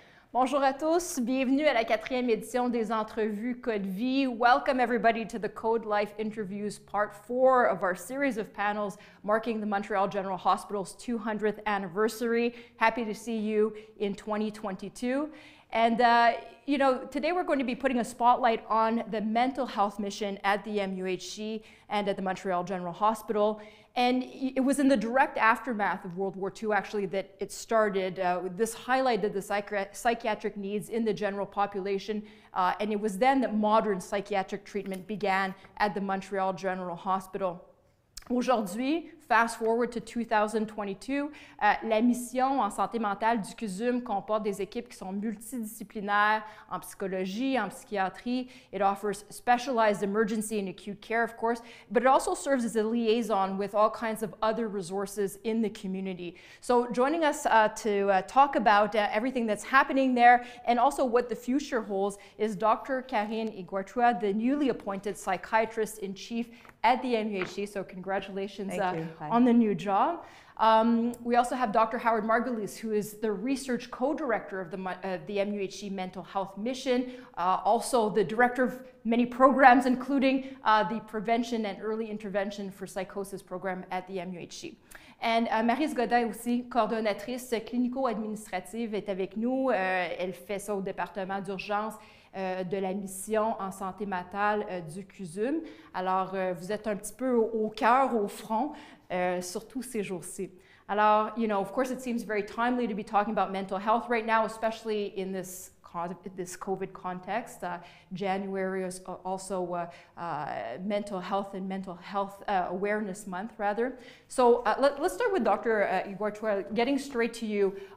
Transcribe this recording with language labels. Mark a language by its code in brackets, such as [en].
[fr] Bonjour à tous, bienvenue à la quatrième édition des Entrevues Code Vie. [en] Welcome everybody to the Code Life Interviews Part 4 of our series of panels marking the Montreal General Hospital's 200th anniversary. Happy to see you in 2022. And you know, today we're going to be putting a spotlight on the mental health mission at the MUHC and at the Montreal General Hospital. And it was in the direct aftermath of World War II, actually, that it started. This highlighted the psychiatric needs in the general population. And it was then that modern psychiatric treatment began at the Montreal General Hospital. [fr] Aujourd'hui, [en] fast forward to 2022, [fr] la mission en santé mentale du CUSUM comporte des équipes qui sont multidisciplinaires en psychologie, en psychiatrie. [en] It offers specialized emergency and acute care, of course, but it also serves as a liaison with all kinds of other resources in the community. So joining us to talk about everything that's happening there and also what the future holds is Dr. Karine Iguatua, the newly appointed psychiatrist in chief at the MUHC, so congratulations on the new job. We also have Dr. Howard Margulies, who is the research co-director of the MUHC Mental Health Mission, also the director of many programs, including the Prevention and Early Intervention for Psychosis program at the MUHC. [fr] And Maryse Godin, aussi coordonnatrice clinico-administrative, est avec nous. Elle fait ça au département d'urgence de la mission en santé mentale du CUSUM. Alors, vous êtes un petit peu au cœur, au front, surtout ces jours-ci. [en] Alors, you know, of course, it seems very timely to be talking about mental health right now, especially in this COVID context. January is also mental health and mental health awareness month, rather. So let's start with Dr. Iguatua, getting straight to you.